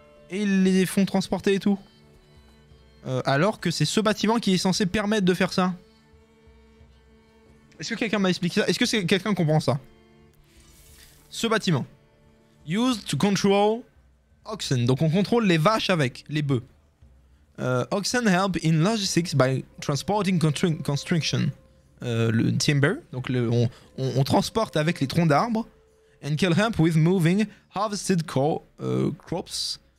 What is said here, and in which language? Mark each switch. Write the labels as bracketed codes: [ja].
[fr] Et ils les font transporter et tout. Alors que c'est ce bâtiment qui est censé permettre de faire ça. Est-ce que quelqu'un m'a expliqué ça? Est-ce que quelqu'un comprend ça? Ce bâtiment. [en] Used to control oxen. [fr] Donc on contrôle les vaches avec, les bœufs. [en] Oxen help in logistics by transporting construction. [fr] Le timber. Donc on transporte avec les troncs d'arbres. [en] And can help with moving harvested crops.